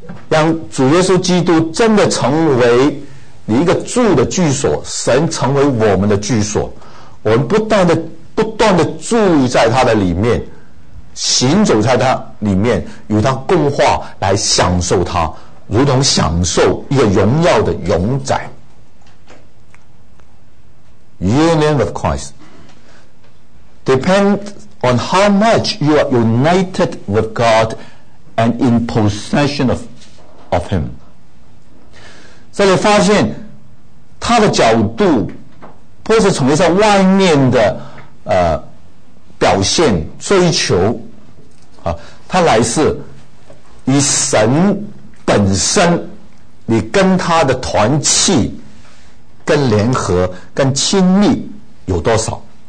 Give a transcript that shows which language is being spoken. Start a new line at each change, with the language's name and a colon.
Chinese: 让主耶稣基督真的成为你一个住的居所，神成为我们的居所，我们不断的住在他的里面，行走在他里面，与他共话，来享受他，如同享受一个荣耀的永宰。
English: Union of Christ depends on how much you are united with God and in possession of Him.
Chinese: 这里发现他的角度不是从一些外面的表现追求啊，他来是以神本身，你跟他的团契、跟联合、跟亲密有多少？